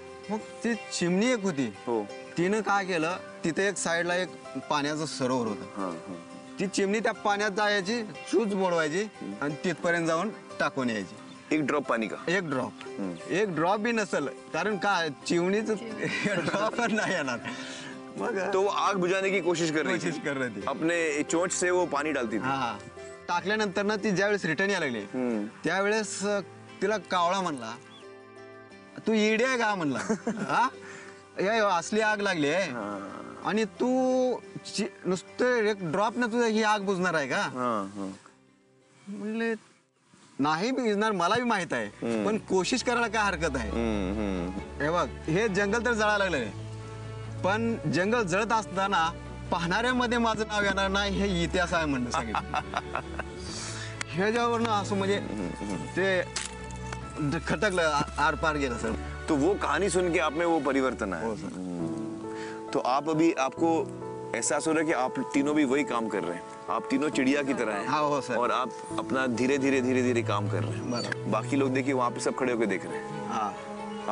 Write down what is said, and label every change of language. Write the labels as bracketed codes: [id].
[mr] मग ती चिमणी एक होती, तिनं काय केलं, तिथे एक साईडला एक पाण्याचं सरोवर होत, ती चिमणी त्या पाण्यात जायची, शूज बोडवायची आणि तिथपर्यंत जाऊन टाकून यायची. एक ड्रॉप पाणी का? एक ड्रॉप, एक ड्रॉप बी नसल, कारण काय चिमणीच ड्रॉप नाही येणार. [hi] मग तो आग बुजाने की कोशिश कर रही थी, अपने चोच से वो पाणी डालती थी. [mr] टाकल्यानंतर ना ती ज्यावेळेस रिटर्न यायला लागली त्यावेळेस तिला कावळा म्हणला, तू इडी आहे का म्हणला, हा असली आग लागली आहे आणि तू नुसतं एक ड्रॉप ना तुझ्या ही आग बुजणार आहे का? म्हणले नाही बुजणार, मलाही माहित आहे पण कोशिश करायला काय हरकत आहे. हे बघ हे जंगल तर जळायला लागलंय पण जंगल जळत असताना पाहणाऱ्यामध्ये माझं नाव येणार नाही हे इतिहास आहे म्हणणं सांगितलं. ह्याच्यावर ना असं म्हणजे ते खटकलं, आर पार गेलं सर. [hi] तो वो कहानी सुन के आप में वो परिवर्तन आया. तो आप अभी आपको एहसास हो रहा है कि आप तीनों भी वही काम कर रहे हैं, आप तीनों चिड़िया की तरह हैं. हाँ वो सर. और आप अपना धीरे धीरे धीरे धीरे काम कर रहे हैं, बाकी लोग देखिए वहाँ पे सब खड़े होकर देख रहे हैं. हाँ.